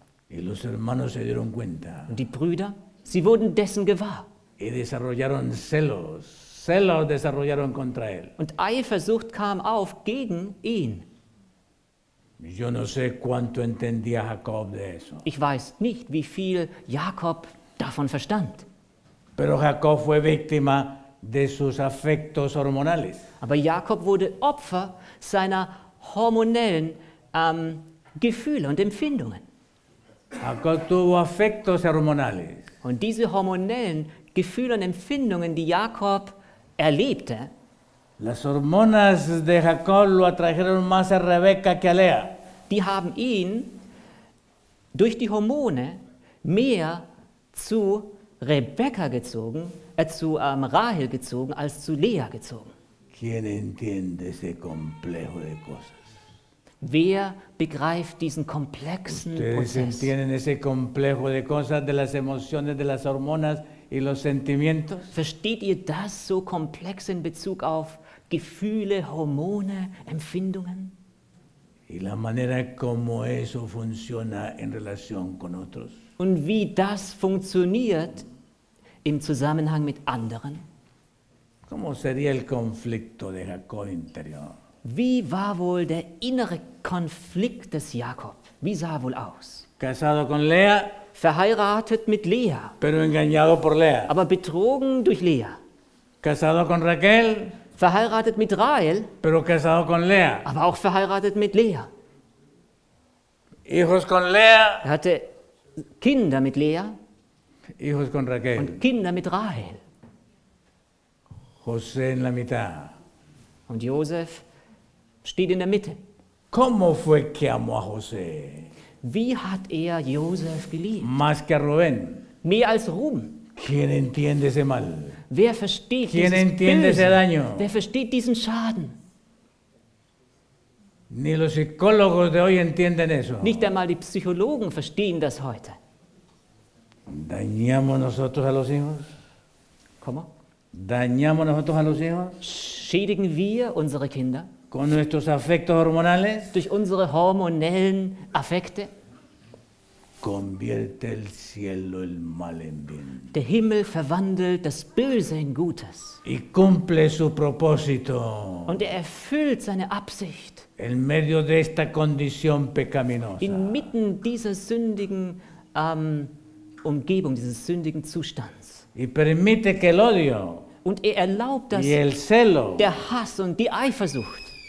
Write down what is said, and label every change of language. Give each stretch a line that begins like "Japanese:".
Spanish: Y los hermanos se dieron cuenta.
German: Und die Brüder, sie wurden dessen gewahr.
Spanish: Y desarrollaron celos desarrollaron contra él.
German: Und Eifersucht kam auf gegen ihn.
Spanish: Yo no sé cuánto entendía Jacob de eso.
German: Ich weiß nicht, wie viel Jakob davon verstand.
Spanish: Pero Jacob fue víctima de sus afectos hormonales.
German: Aber Jakob wurde Opfer seiner hormonellen Gefühle und Empfindungen.
Spanish: Jacob tuvo afectos hormonales.
German: Und diese hormonellen Gefühle und Empfindungen, die Jakob erlebte,
Spanish: las hormonas de Jacob lo atrajeron más a Rebeca que a Lea.
German: Die haben ihn durch die Hormone mehr zu Rebeka gezogen, Rahel gezogen, als zu Lea gezogen.
Spanish: ¿Quién entiende ese complejo de cosas?
German: Wer begreift diesen komplexen Prozess?
Spanish: ¿Entienden ese complejo de cosas, de las emociones, de las hormonas y los sentimientos?
German: Versteht ihr das so komplex in Bezug auf Gefühle, Hormone, Empfindungen?
Spanish: Y la manera como eso funciona en relación con otros.
German: Und wie das funktioniert im Zusammenhang mit anderen?
Spanish: ¿Cómo sería el conflicto de Jacob interior?
German: Wie war wohl der innere Konflikt des Jakob? Wie sah er wohl aus?
Spanish: Casado con Lea,
German: verheiratet mit Lea,
Spanish: pero engañado por Lea.
German: Aber betrogen durch Lea.
Spanish: Casado con Raquel,
German: verheiratet mit Rahel,
Spanish: pero casado con Lea.
German: Aber auch verheiratet mit Lea.
Spanish: Hijos con Lea,
German: er hatte Kinder mit Lea,
Spanish: hijos con Raquel.
German: Und Kinder mit Rahel.
Spanish: José en la mitad.
German: Und Josef steht in der Mitte.
Spanish: ¿Cómo fue que amó a José?
German: Wie hat er Josef geliebt?
Spanish: Más que a Rubén.
German: Mehr als Ruben.
Spanish: ¿Quién entiende ese mal?
German: Wer versteht
Spanish: ¿Quién
German: dieses
Spanish: entiende
German: Böse?
Spanish: Ese daño?
German: Wer versteht diesen Schaden?
Spanish: Ni los psicólogos de hoy entienden eso.
German: Nicht einmal die Psychologen verstehen das heute.
Spanish: ¿Dañamos nosotros a los hijos? ¿Cómo? ¿Dañamos nosotros a los hijos?
German: Schädigen wir unsere Kinder?
Spanish: Con nuestros afectos hormonales?
German: Durch unsere hormonellen Affekte?
Spanish: Convierte el cielo el mal en bien.
German: Der Himmel verwandelt das Böse in Gutes.
Spanish: Y cumple su propósito.
German: Und er erfüllt seine Absicht.
Spanish: En medio de esta condición pecaminosa.
German: Inmitten dieser sündigen Umgebung, dieses sündigen Zustands.
Spanish: Y permite que el odio.
German: Und er erlaubt, dass
Spanish: y el celo.
German: Der Hass und die Eifersucht.